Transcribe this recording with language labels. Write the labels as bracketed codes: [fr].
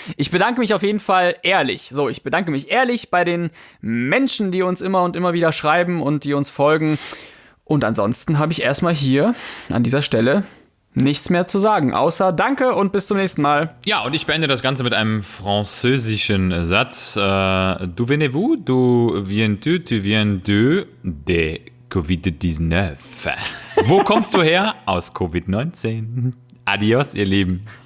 [de] Ich bedanke mich auf jeden Fall ehrlich. So, ich bedanke mich ehrlich bei den Menschen, die uns immer und immer wieder schreiben und die uns folgen. Und ansonsten habe ich erstmal hier an dieser Stelle nichts mehr zu sagen, außer danke und bis zum nächsten Mal. Ja, und ich beende das Ganze mit einem französischen Satz. [fr] Du venez-vous, du viens-tu, tu viens-tu de Covid-19. [de] Wo kommst du her? Aus Covid-19. Adios, ihr Lieben.